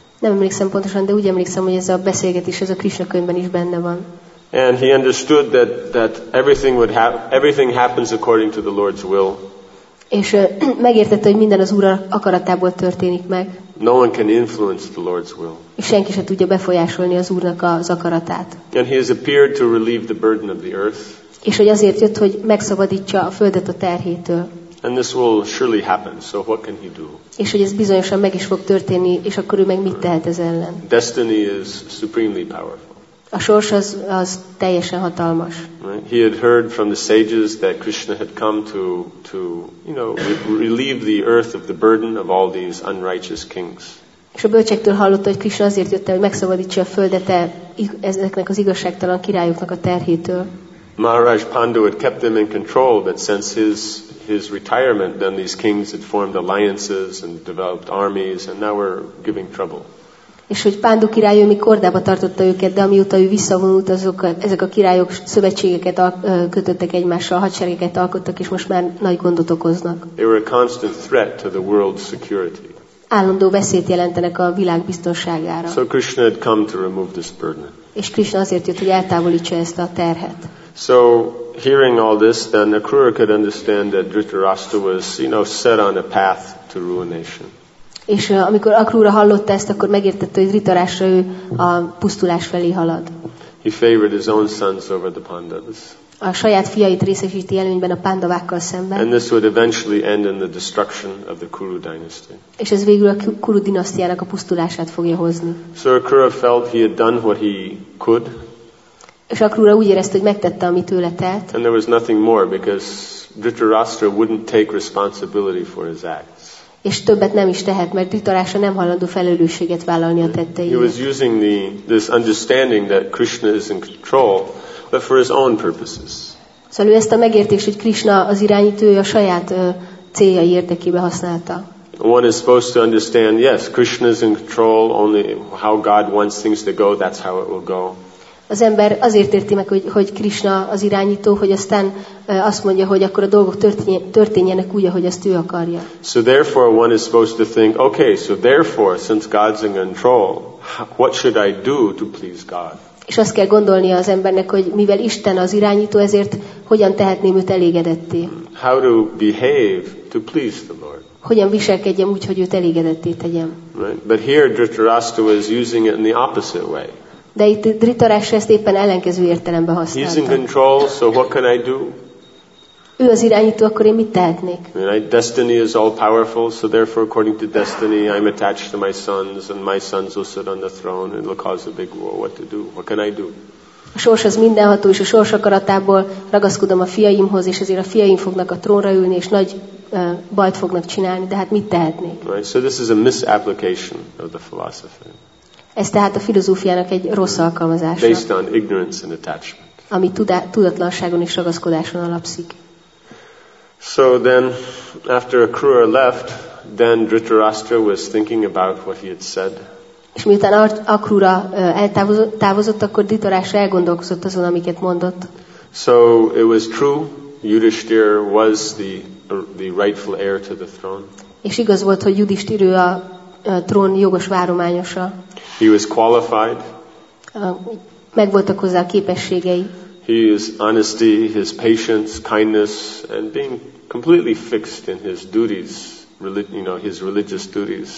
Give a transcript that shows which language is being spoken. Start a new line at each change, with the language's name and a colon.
Hungarian: Nem emlékszem pontosan, de úgy emlékszem, hogy ez a beszélgetés, ez a Krishna könyvben is benne van.
English: And he understood that everything happens according to the Lord's will.
Hungarian: És megértette, hogy minden az Úr akaratából történik meg.
English: No one can influence the Lord's will.
Hungarian: És senki se tudja befolyásolni az Úrnak az akaratát.
English: And he has appeared to relieve the burden of the earth.
Hungarian: És hogy azért jött, hogy megszabadítsa a földet a terhétől.
English: And this will surely happen, so what can he do?
Hungarian: És hogy ez bizonyosan meg is fog történni, és akkor ő meg mit tehet ez ellen?
English: Destiny is supremely powerful.
Hungarian: A sors az teljesen hatalmas.
English: Right? He had heard from the sages that Krishna had come to relieve the earth of the burden of all these unrighteous kings.
Hungarian: És a bölcsektől hallotta, hogy Krishna azért jött el, hogy megszabadítsa a földet ezeknek az igazságtalan királyoknak a terhétől.
English: Maharaj Pandu had kept them in control, but since his retirement, then these kings had formed alliances and developed armies, and now were giving trouble.
Hungarian: És hogy Pandu király mi kordába tartotta őket, de amióta ő visszavonult, ezek a királyok szövetségeket kötöttek egymással, hadseregeket alkottak, és most már nagy gondot okoznak.
English: They were a constant threat to the world's security.
Hungarian: Állandó veszélyt jelentenek a világ biztonságára.
English: So Krishna had come to remove this burden.
Hungarian: És Krishna azért jött, hogy eltávolítsa ezt a terhet.
English: So, hearing all this, then Akrura could understand that Dhritarashtra was, set on a path to ruination.
Hungarian: És amikor Akrura hallotta ezt, akkor megértette, hogy Dhritarashtra ő a pusztulás felé halad.
English: He favored his own sons over the Pandavas.
Hungarian: A saját fiait részesíti előnyben a Pandavákkal szemben.
English: And this would eventually end in the destruction of the Kuru dynasty.
Hungarian: És ez végül a Kuru dinasztiának a pusztulását fogja hozni.
English: So Akrura felt he had done what he could.
Hungarian: És Akrura úgy érezte, hogy megtette, amit tőle telt.
English: And there was nothing more, because Dhritarashtra wouldn't take responsibility for his acts.
Hungarian: És többet nem is tehet, mert Dhritarashtra nem hajlandó felelősséget vállalni a tetteiért.
English: He was using this understanding that Krishna is in control, but for his own purposes.
Hungarian: Szóval ő ezt a megértést, hogy Krishna az irányítója, a saját céljai érdekébe használta.
English: One is supposed to understand, yes, Krishna is in control, only how God wants things to go, that's how it will go.
Hungarian: Az ember azért érti meg, hogy Krishna az irányító, hogy aztán azt mondja, hogy akkor a dolgok történjenek úgy, ahogy azt ő akarja.
English: So therefore one is supposed to think, okay, so therefore since God's in control, what should I do to please God?
Hungarian: És azt kell gondolnia az embernek, hogy mivel Isten az irányító, ezért hogyan tehetném őt elégedetté?
English: How to behave to please the Lord?
Hungarian: Hogyan viselkedjem úgy, hogy őt elégedetté tegyem?
English: Right. But here Dhritarashtra is using it in the opposite way.
Hungarian: De itt Dhritarashtra ezt éppen ellenkező értelemben használta.
English: He's in control, so what can I do?
Hungarian: Ő az irányító, akkor én mit tehetnék?
English: Destiny is all powerful, so therefore according to destiny I'm attached to my sons and my sons will sit on the throne and will cause a big war. What to do? What can I do?
Hungarian: A sors az mindenható, és a sors akaratából ragaszkodom a fiaimhoz, és ezért a fiaim fognak a trónra ülni, és nagy bajt fognak csinálni, de hát mit tehetnék?
English: Right, so this is a misapplication of the philosophy.
Hungarian: Ez tehát a filozófiának egy rossz alkalmazása.
English: Based on ignorance and attachment.
Hungarian: Ami tudatlanságon és ragaszkodáson alapszik.
English: So then, after Akrura left, then Dhritarashtra was thinking about what he had said.
Hungarian: És miután Akrura eltávozott, akkor Dhritarashtra elgondolkozott azon, amiket mondott.
English: So it was true, Yudhishthir was the rightful heir to the throne.
Hungarian: És igaz volt, hogy Yudhishthir ő a trón jogos várományosa.
English: He was qualified.
Hungarian: Megvoltak hozzá a képességei.
English: His honesty, his patience, kindness, and being completely fixed in his duties, his religious duties.